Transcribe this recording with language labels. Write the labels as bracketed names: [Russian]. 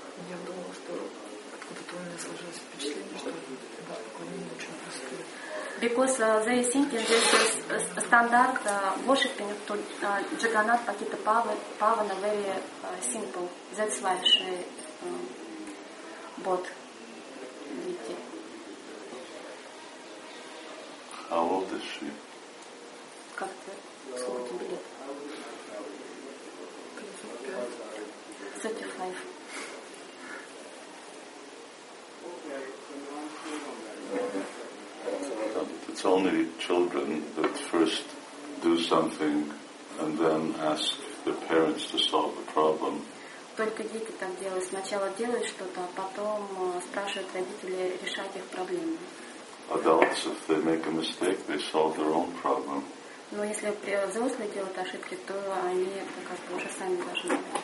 [Russian] Я думала, что откуда-то у меня сложилось впечатление, что это поклонение очень простое. [English] Because they think this is standard worshiping to Jagannath Pakita Pavana very simple. That's why she bought it. How old is she? [Russian] Как ты? Сколько тебе лет? 35. [English] It's only children that first do something and then ask their parents to solve the problem. [Russian] Только дети так делают. Сначала делают что-то, а потом спрашивают родителей решать их проблемы. [English] Adults, if they make a mistake, they solve their own problem. [Russian] Но если взрослые делают ошибки, то они как раз уже сами должны решать.